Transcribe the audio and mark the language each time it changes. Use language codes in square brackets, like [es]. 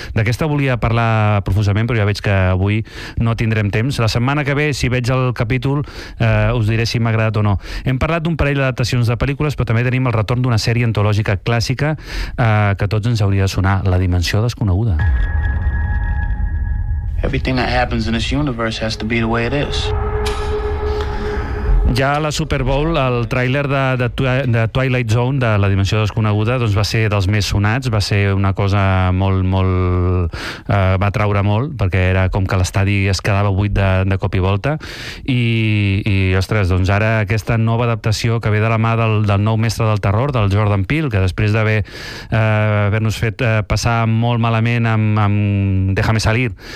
[ca] D'aquesta volia parlar profusament, però ja veig que avui no tindrem temps. La setmana que ve, si veig el capítol, us diré si m'ha agradat o no. Hem parlat d'un parell d'adaptacions de pel·lícules, però també tenim el retorn d'una sèrie antològica clàssica que a tots ens hauria de sonar, La dimensió desconeguda. [en] Everything that happens in this universe has to be the way it is. [ca] Ja a la Super Bowl, el tràiler de Twilight Zone, de La dimensió desconeguda, doncs va ser dels més sonats, va ser una cosa molt, molt... va atraure molt, perquè era com que l'estadi es quedava buit de cop i volta. I, ostres, doncs ara aquesta nova adaptació que ve de la mà del nou mestre del terror, del Jordan Peele, que després d'haver-nos fet passar molt malament amb Déjame salir,